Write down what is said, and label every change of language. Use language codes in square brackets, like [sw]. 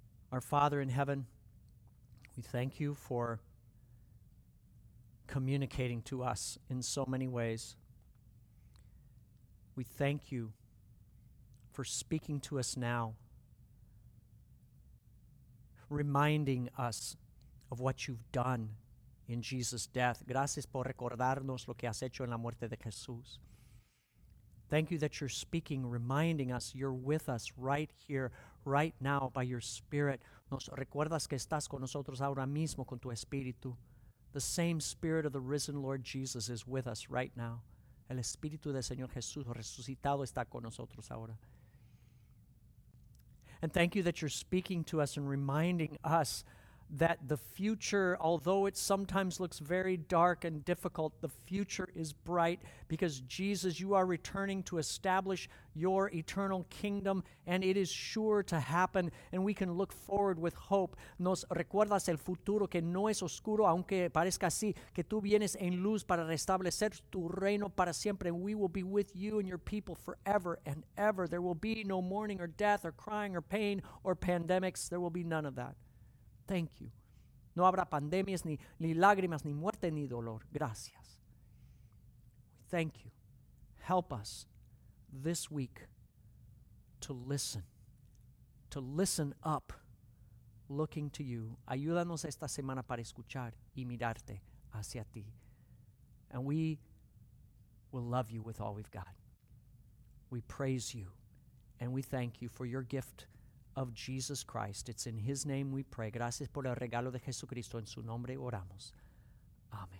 [en] Our Father in heaven, we thank you for communicating to us in so many ways. We thank you for speaking to us now, reminding us of what you've done in Jesus' death. [es] Gracias por recordarnos lo que has hecho en la muerte de Jesús. [en] Thank you that you're speaking, reminding us you're with us right here, right now, by your Spirit. [es] Nos recuerdas que estás con nosotros ahora mismo con tu Espíritu. [en] The same Spirit of the risen Lord Jesus is with us right now. [es] El Espíritu del Señor Jesús resucitado está con nosotros ahora. [en] And thank you that you're speaking to us and reminding us that the future, although it sometimes looks very dark and difficult, the future is bright because, Jesus, you are returning to establish your eternal kingdom, and it is sure to happen, and we can look forward with hope. [es] Nos recuerdas el futuro que no es oscuro, aunque parezca así, que tú vienes en luz para restablecer tu reino para siempre, [en] and we will be with you and your people forever and ever. There will be no mourning or death or crying or pain or pandemics. There will be none of that. Thank you. [es] No habrá pandemias, ni lágrimas, ni muerte, ni dolor. Gracias. [en] We thank you. Help us this week to listen. To listen up, looking to you. [es] Ayúdanos esta semana para escuchar y mirarte hacia ti. [en] And we will love you with all we've got. We praise you and we thank you for your gift of Jesus Christ. It's in his name we pray. [es] Gracias por el regalo de Jesucristo. En su nombre oramos. Amén.